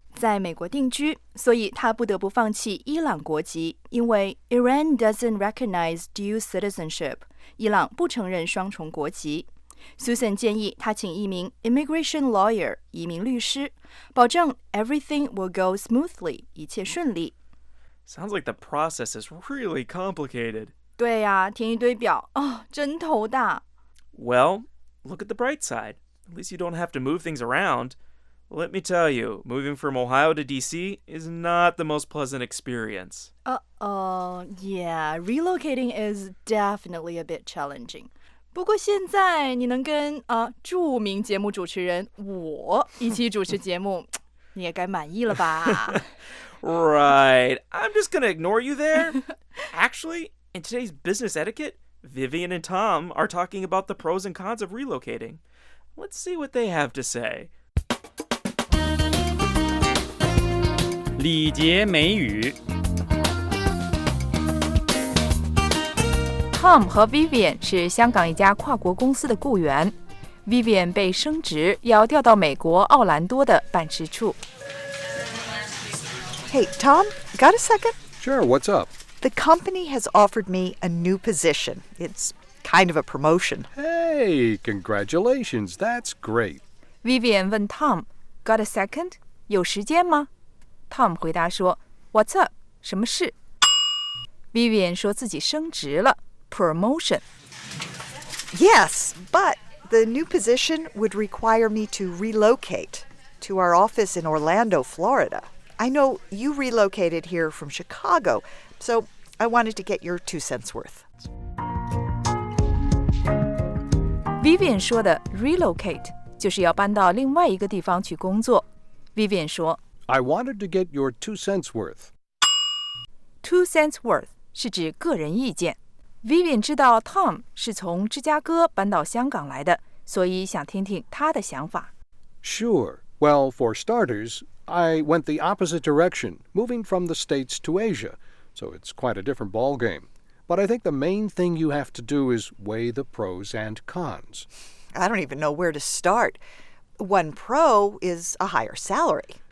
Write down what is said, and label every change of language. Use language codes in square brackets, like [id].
[zh] 在美国定居，所以他不得不放弃伊朗国籍，因为 [en] Iran doesn't recognize dual citizenship, [zh] 伊朗不承认双重国籍。 Susan 建议他请一名 immigration lawyer, 移民律师，保证 [en] everything will go smoothly, [zh] 一切顺利。 [en] Sounds like the process is really complicated. [zh] 对呀、啊，填一堆表，哦，真头大。 [en] Well, look at the bright side. At least you don't have to move things around. Let me tell you, moving from Ohio to D.C. is not the most pleasant experience. Yeah, relocating is definitely a bit challenging. [zh] 不过现在你能跟著名节目主持人我一起主持节目，你也该满意了吧？ [en] Right, I'm just gonna ignore you there. Actually, in today's business etiquette, Vivian and Tom are talking about the pros and cons of relocating. Let's see what they have to say. [zh] 礼节美语。 Tom 和 Vivian 是香港一家跨国公司的雇员。 Vivian 被升职，要调到美国奥兰多的办事处。 [en] Hey, Tom, got a second? Sure, what's up? The company has offered me a new position. It's kind of a promotion. Hey, congratulations, that's great. [zh] Vivian 问 Tom, [en] got a second? [zh] 有时间吗？ Tom 回答说 [en] What's up? [zh] 什么事？ Vivian 说自己升职了。 [en] Promotion. Yes, but the new position would require me to relocate to our office in Orlando, Florida. I know you relocated here from Chicago, so I wanted to get your 2 cents worth. [zh] Vivian 说的 relocate 就是要搬到另外一个地方去工作。 Vivian 说 [en] I wanted to get your 2 cents worth. [zh] 2 cents worth 是指个人意见。Vivian 知道 Tom 是从芝加哥搬到香港来的，所以想听听他的想法。 [en] Sure. Well, for starters, I went the opposite direction, moving from the States to Asia. So it's quite a different ballgame. But I think the main thing you have to do is weigh the pros and cons. I don't even know where to start. One pro is a higher salary.